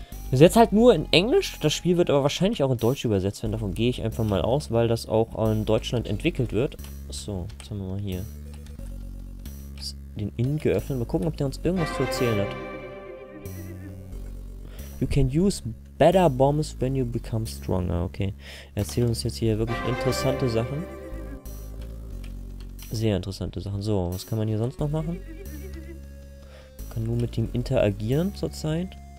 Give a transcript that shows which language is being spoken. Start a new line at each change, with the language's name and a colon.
German: Ist jetzt halt nur in Englisch. Das Spiel wird aber wahrscheinlich auch in Deutsch übersetzt werden. Davon gehe ich einfach mal aus, weil das auch in Deutschland entwickelt wird. So, jetzt haben wir mal hier den Inn geöffnet. Mal gucken, ob der uns irgendwas zu erzählen hat.
English: You can use better bombs when you become stronger. Okay.
German: Er erzählt uns jetzt hier wirklich interessante Sachen. Sehr interessante Sachen. So, was kann man hier sonst noch machen? Kann nur mit ihm interagieren zurzeit.